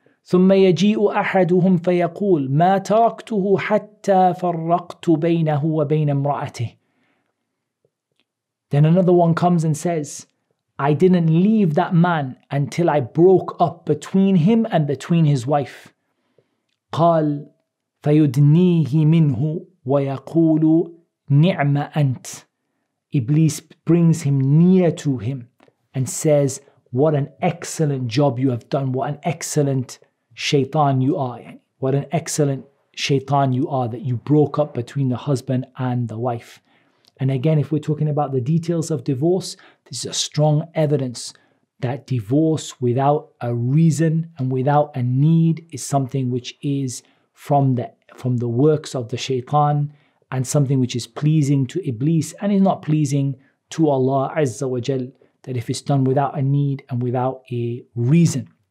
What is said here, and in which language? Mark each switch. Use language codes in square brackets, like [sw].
[ar] ثُمَّ يَجِيءُ أَحَدُهُمْ فَيَقُولُ مَا تَرَكْتُهُ حَتَّى فَرَّقْتُ بَيْنَهُ وَبَيْنَ امْرَأَتِهِ. [en] Then another one comes and says, I didn't leave that man until I broke up between him and between his wife. [ar] قال فَيُدْنِيهِ مِنْهُ وَيَقُولُ نِعْمَ أَنْتِ. [en] Iblis brings him near to him and says, what an excellent job you have done. What an excellent shaitan you are. What an excellent shaitan you are that you broke up between the husband and the wife. And again, if we're talking about the details of divorce, this is a strong evidence that divorce without a reason and without a need is something which is from the works of the shaitan, and something which is pleasing to Iblis and is not pleasing to Allah Azza wa Jal, that if it's done without a need and without a reason.